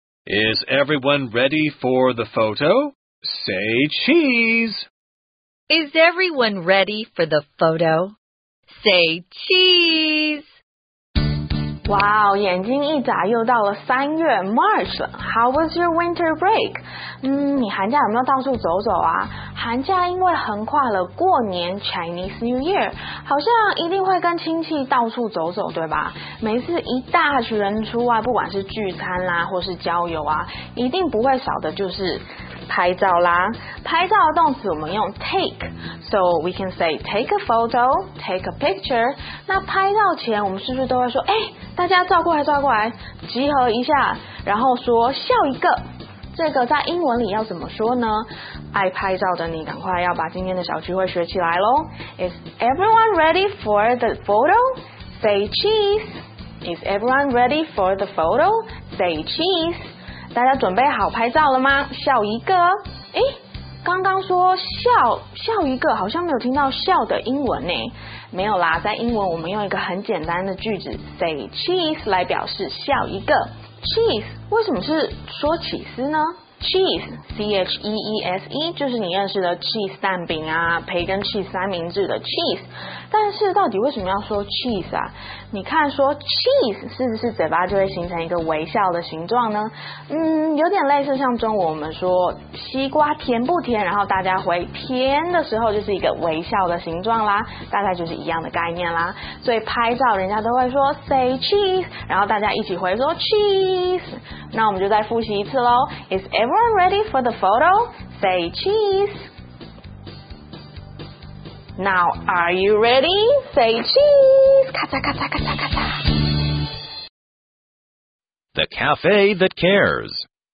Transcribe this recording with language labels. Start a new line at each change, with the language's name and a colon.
English: Is everyone ready for the photo? Say cheese! Is everyone ready for the photo? Say cheese!
Chinese: Wow, 眼睛一眨又到了三月 March 了。
English: How was your winter break?
Chinese: 你寒假有没有到处走走啊？寒假因为横跨了过年 Chinese New Year， 好像一定会跟亲戚到处走走，对吧？每次一大群人出外，不管是聚餐啦，或是郊游啊，一定不会少的就是拍照啦。拍照的动词我们用 take，
English: so we can say take a photo， take a picture。
Chinese: 那拍照前我们是不是都会说，大家照过来，照过来，集合一下，然后说笑一个。这个在英文里要怎么说呢？爱拍照的你赶快要把今天的小聚会学起来咯。
English: Is everyone ready for the photo? Say cheese. Is everyone ready for the photo? Say cheese.
Chinese: 大家准备好拍照了吗？笑一个。刚刚说笑一个，好像没有听到笑的英文呢。没有啦，在英文我们用一个很简单的句子
English: say cheese
Chinese: 来表示笑一个。Cheese 为什么是说起司呢？ cheese, C-H-E-E-S-E, 就是你认识的 cheese 蛋饼啊，培根 cheese 三明治的 cheese。但是到底为什么要说 cheese 啊？你看说 cheese 是不是嘴巴就会形成一个微笑的形状呢？嗯，有点类似像中文我们说西瓜甜不甜，然后大家回甜的时候就是一个微笑的形状啦，大概就是一样的概念啦。所以拍照人家都会说
English: say cheese，
Chinese: 然后大家一起回说 cheese。那我们就再复习一次咯。
English: Is everyone ready for the photo? Say cheese. Now, are you ready? Say cheese. 咔嚓咔嚓咔嚓咔嚓。 The Cafe That Cares.